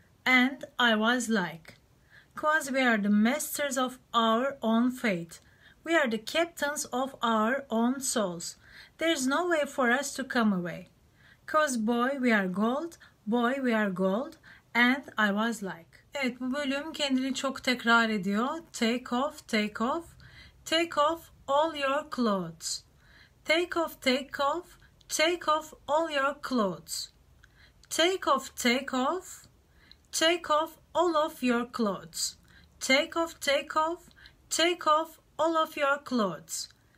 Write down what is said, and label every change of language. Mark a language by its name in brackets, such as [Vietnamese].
[English] And I was like. 'Cause we are the masters of our own fate. We are the captains of our own souls. There's no way for us to come away. 'Cause boy we are gold, boy we are gold, and I was like. [Turkish] Evet, bu bölüm kendini çok tekrar ediyor. [English] Take off, take off, take off all your clothes. Take off, take off, take off all your clothes. Take off, take off, take off all of your clothes. Take off, take off, take off all of your clothes.